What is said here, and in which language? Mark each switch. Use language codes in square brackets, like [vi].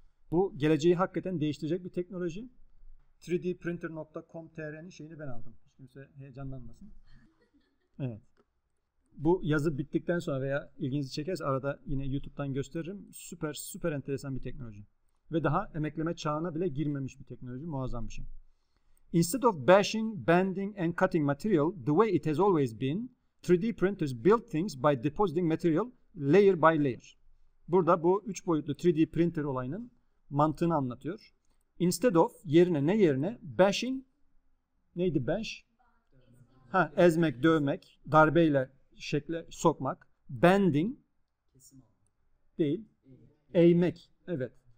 [tr] Bu geleceği hakikaten değiştirecek bir teknoloji. 3dprinter.com.tr'nin şeyini ben aldım. Hiç kimse heyecanlanmasın. Evet. Bu yazı bittikten sonra veya ilginizi çekerse arada yine YouTube'dan gösteririm. Süper süper enteresan bir teknoloji. Ve daha emekleme çağına bile girmemiş bir teknoloji. Muazzam bir şey. [en] Instead of bashing, bending and cutting material the way it has always been, 3D printers build things by depositing material layer by layer. [tr] Burada bu 3 boyutlu 3D printer olayının mantığını anlatıyor. [en] Instead of, [tr] yerine, ne yerine? Bashing, neydi bash? Ha, ezmek, dövmek, darbeyle şekle sokmak. Bending, değil, eğmek, evet.